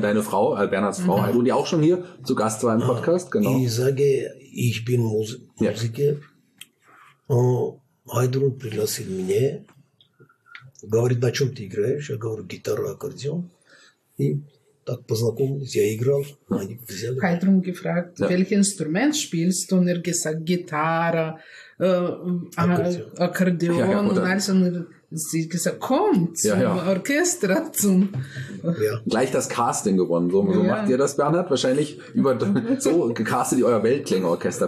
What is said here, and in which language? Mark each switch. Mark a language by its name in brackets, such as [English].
[German] Deine Frau, Bernhards Frau Хайдрун, die auch schon hier zu Gast war im Podcast. Genau. Ich sage, ich bin Musiker. [Russian] Хайдрун пригласил меня. Говорит, на чем ты играешь? Я говорю, гитара, аккордеон. И так познакомились, я играл, они взяли. [German] Хайдрун gefragt, ja. Welche Instrument spielst du? Und er gesagt, Gitarre, Akkordeon. Ja, ja, also, sie gesagt, komm zum Orchester. Zum Gleich das Casting gewonnen. So, so macht ihr das, Bernhard? Wahrscheinlich über so gecastet ihr euer Weltklängeorchester.